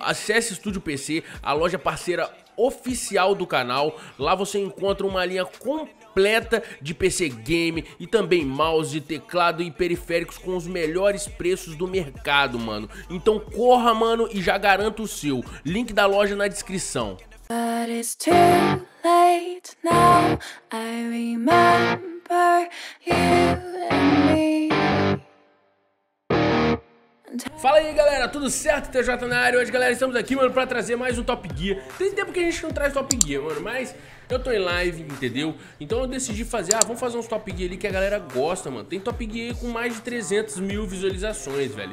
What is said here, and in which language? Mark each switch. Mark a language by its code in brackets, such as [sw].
[pt] Acesse Estúdio PC, a loja parceira oficial do canal. Lá você encontra uma linha completa de PC game e também mouse, teclado e periféricos com os melhores preços do mercado, mano. Então corra, mano, e já garanta o seu. Link da loja na descrição. [en] But it's too late now, I remember you and me. [pt] Fala aí, galera, tudo certo? TJ na área. Hoje, galera, estamos aqui, mano, pra trazer mais um Top Gear. Tem tempo que a gente não traz Top Gear, mano, mas eu tô em live, entendeu? Então eu decidi fazer, vamos fazer uns Top Gear ali que a galera gosta, mano. Tem Top Gear aí com mais de 300 mil visualizações, velho.